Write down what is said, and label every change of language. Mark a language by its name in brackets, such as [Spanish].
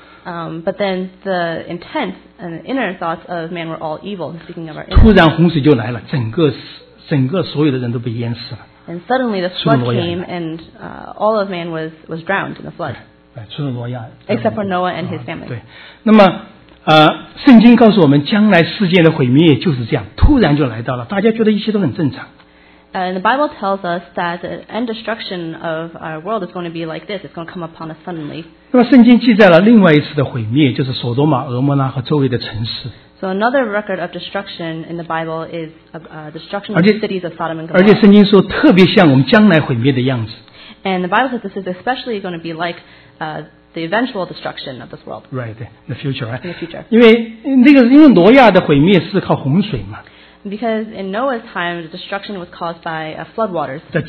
[English] But then the intent and inner thoughts of man were all evil. Speaking of our. [Chinese] 突然洪水就来了，整个所有的人都被淹死了。 [English] And suddenly the flood came, and all of man was drowned in the flood. [Chinese] 除了挪亚， [English] except for Noah and his family. [Chinese] 对，那么，圣经告诉我们，将来世界的毁灭就是这样，突然就来到了，大家觉得一切都很正常。 [English] And the Bible tells us that the end destruction of our world is going to be like this. It's going to come upon us suddenly. [Chinese] 那么，圣经记载了另外一次的毁灭，就是索多玛、俄摩拉和周围的城市。 [English] So another record of destruction in the Bible is destruction of the cities of Sodom and Gomorrah. [Chinese] 而且圣经说，特别像我们将来毁灭的样子。 [English] And the Bible says this is especially going to be like the eventual destruction of this world. Right, the future, right? In the future. [Chinese] 因为那个，因为挪亚的毁灭是靠洪水嘛。 [English] Because in Noah's time, the destruction was caused by floodwaters.